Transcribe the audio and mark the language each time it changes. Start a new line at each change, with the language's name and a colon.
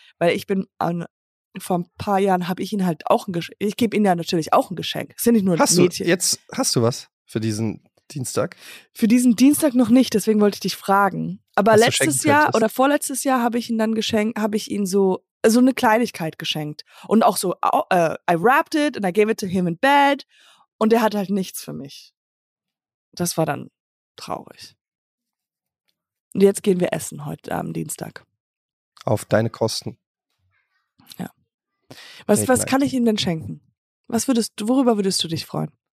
German: Weil ich bin, vor ein paar Jahren habe ich ihn halt auch ein Geschenk, ich gebe ihm ja natürlich auch ein Geschenk. Es sind nicht nur hast Mädchen. Du, jetzt hast du was für diesen Dienstag? Für diesen Dienstag noch nicht, deswegen wollte ich dich fragen. Aber letztes Jahr oder vorletztes Jahr habe ich ihn dann geschenkt, habe ich ihn so eine Kleinigkeit geschenkt. Und auch so,
English: I wrapped it and I gave it to him in bed.
German: Und er hat halt nichts für mich. Das war dann traurig. Und jetzt gehen wir essen heute am Dienstag. Auf deine Kosten. Ja. Was kann ich ihm denn schenken? Worüber würdest du dich freuen?